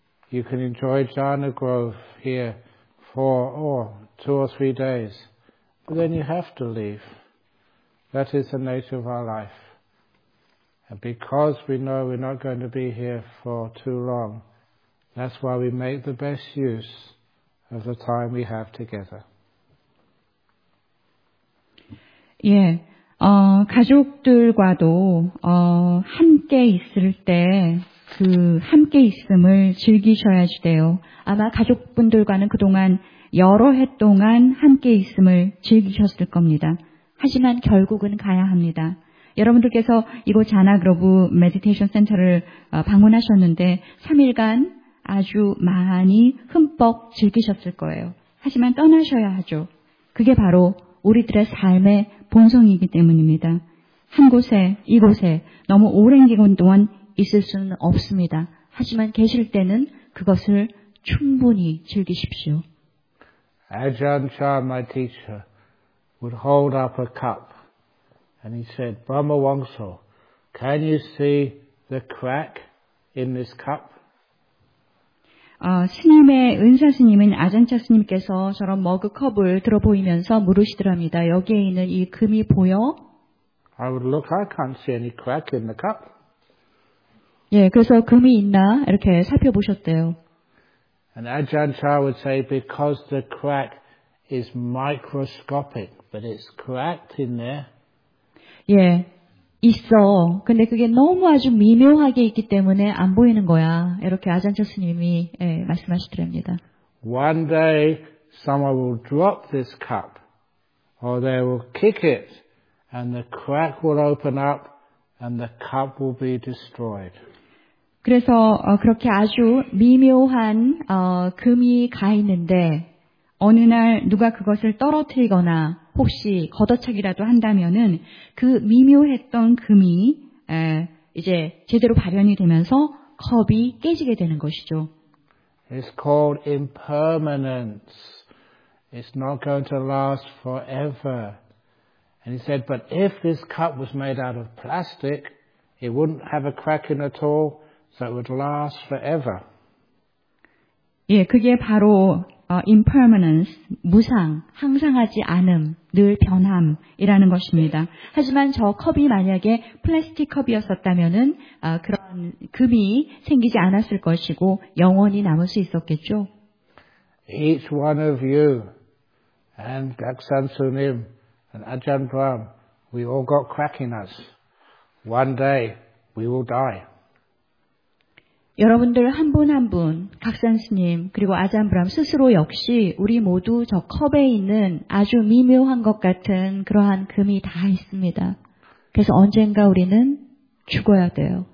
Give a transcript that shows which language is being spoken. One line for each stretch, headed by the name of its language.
English: You can enjoy jhana growth here for two or three days, but then you have to leave. That is the nature of our life. And because we know we're not going to be here for too long, that's why we make the best use of the time we have together.
Korean: 예, 가족들과도 함께 있을 때 그 함께 있음을 즐기셔야 돼요. 아마 가족분들과는 그동안 여러 해 동안 함께 있음을 즐기셨을 겁니다. 하지만 결국은 가야 합니다. 여러분들께서 이곳 자나 그로브 메디테이션 센터를 방문하셨는데 3일간 아주 많이 흠뻑 즐기셨을 거예요. 하지만 떠나셔야 하죠. 그게 바로 우리들의 삶의 본성이기 때문입니다. 한 곳에, 이곳에 너무 오랜 기간 동안 있을 수는 없습니다. 하지만 계실 때는 그것을 충분히 즐기십시오.
English: Ajahn Chah, my teacher, would hold up a cup and he said, Brahma Wangso, can you see the crack in this cup?
Korean: 스님의 은사 스님인 아잔차 스님께서 저런 머그 컵을 들어 보이면서 물으시더랍니다. 여기에 있는 이 금이 보여?
English: I would look. I can't see any crack in the cup.
Korean: 예, 그래서 금이 있나 이렇게 살펴보셨대요.
English: And Ajahn Chah would say, because the crack is microscopic, but it's cracked in there.
Korean: 예, 있어. 근데 그게 너무 아주 미묘하게 있기 때문에 안 보이는 거야. 이렇게 아잔차 스님이 말씀하시더랍니다.
English: One day someone will drop this cup or they will kick it and the crack will open up and the cup will be destroyed.
Korean: 그래서 그렇게 아주 미묘한 금이 가 있는데 어느 날 누가 그것을 떨어뜨리거나 혹시 걷어차기라도 한다면은 그 미묘했던 금이 이제 제대로 발현이 되면서 컵이 깨지게 되는 것이죠.
English: It's called impermanence. It's not going to last forever. And he said, but if this cup was made out of plastic, it wouldn't have a crack in at all, so it would last forever.
Korean: 예, 그게 바로 impermanence, 무상, 항상하지 않음, 늘 변함이라는 것입니다. 하지만 저 컵이 만약에 플라스틱 컵이었었다면은 그런 금이 생기지 않았을 것이고 영원히 남을 수 있었겠죠.
English: Each one of you and Gaksan Sunim and Ajahn Brahm, we all got crack in us. One day we will die.
Korean: 여러분들 한 분 한 분, 각산 스님 그리고 아잔 브람 스스로 역시 우리 모두 저 컵에 있는 아주 미묘한 것 같은 그러한 금이 다 있습니다. 그래서 언젠가 우리는 죽어야 돼요.